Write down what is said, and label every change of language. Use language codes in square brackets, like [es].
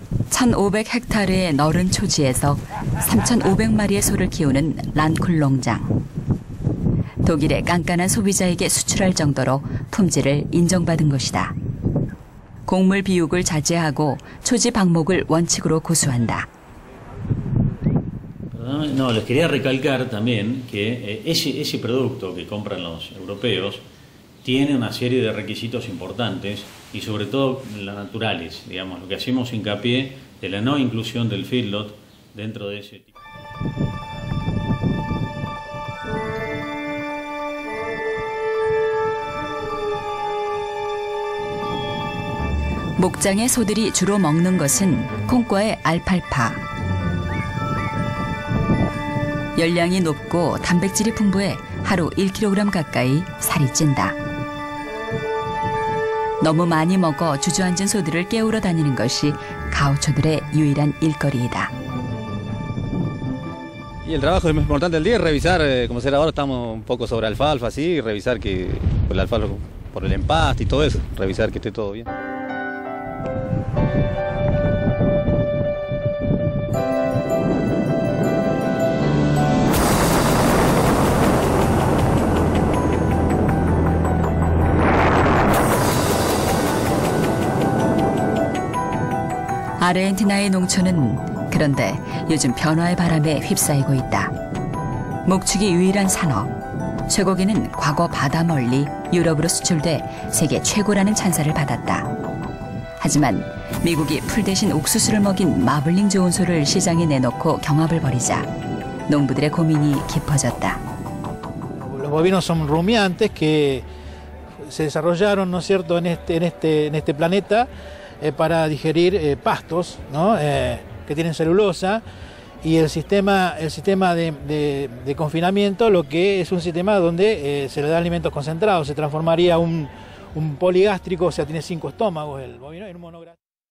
[ko] 1,500헥타르의 넓은 초지에서 3,500마리의 소를 키우는 란쿨 농장. 독일의 깐깐한 소비자에게 수출할 정도로 품질을 인정받은 것이다. 곡물 비육을 자제하고 초지 방목을 원칙으로 고수한다. [es] No, les quería recalcar también que ese producto que compran los europeos tiene una serie de requisitos importantes y sobre todo las naturales, digamos, lo que hacemos hincapié de la no inclusión del feedlot dentro de ese tipo. [ko] 목장의 소들이 주로 먹는 것은 콩과의 알팔파. 열량이 높고 단백질이 풍부해 하루 1kg 가까이 살이 찐다. 너무 많이 먹어 주저앉은 소들을 깨우러 다니는 것이 가우초들의 유일한 일거리이다. [es] Y el trabajo más importante del día es revisar, como será ahora estamos un poco sobre alfalfa, sí, revisar que el alfalfa por el empaste y todo eso, revisar que esté todo bien. [ko] 아르헨티나의 농촌은 그런데 요즘 변화의 바람에 휩싸이고 있다. 목축이 유일한 산업, 쇠고기는 과거 바다 멀리 유럽으로 수출돼 세계 최고라는 찬사를 받았다. 하지만 미국이 풀 대신 옥수수를 먹인 마블링 조온소를 시장에 내놓고 경합을 벌이자 농부들의 고민이 깊어졌다. [es] Los bovinos son rumiantes que se desarrollaron, ¿no es cierto?, en este planeta. Para digerir pastos, ¿no? Que tienen celulosa y el sistema de confinamiento, lo que es un sistema donde se le da alimentos concentrados, se transformaría un poligástrico, o sea, tiene cinco estómagos el bovino en un monogástrico.